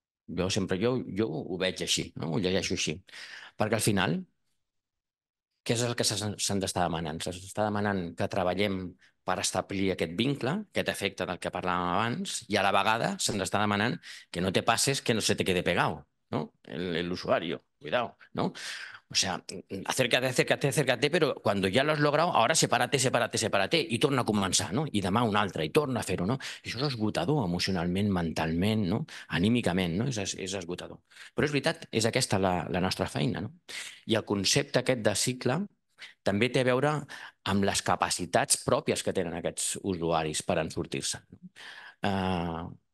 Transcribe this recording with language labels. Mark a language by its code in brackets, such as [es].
[ca] Jo ho veig així, no? Ho llegeixo així. Perquè al final, què és el que s'han d'estar demanant? S'està demanant que treballem per establir aquest vincle, aquest efecte del que parlàvem abans, i a la vegada s'han d'estar demanant que no te passes, que no se te quede pegado, no? [es] L'usuario, cuidado, no? O sea, acércate, acércate, acércate, pero cuando ya lo has logrado, ahora sepárate, sepárate, sepárate, y torna a comenzar, ¿no? Y demà un altre, y torna a fer-ho, ¿no? [ca] Això és esgotador emocionalment, mentalment, ¿no? Anímicament, ¿no? És esgotador. Però és veritat, és aquesta la nostra feina, ¿no? I el concepte aquest de cicle també té a veure amb les capacitats pròpies que tenen aquests usuaris per ensortir-se, ¿no?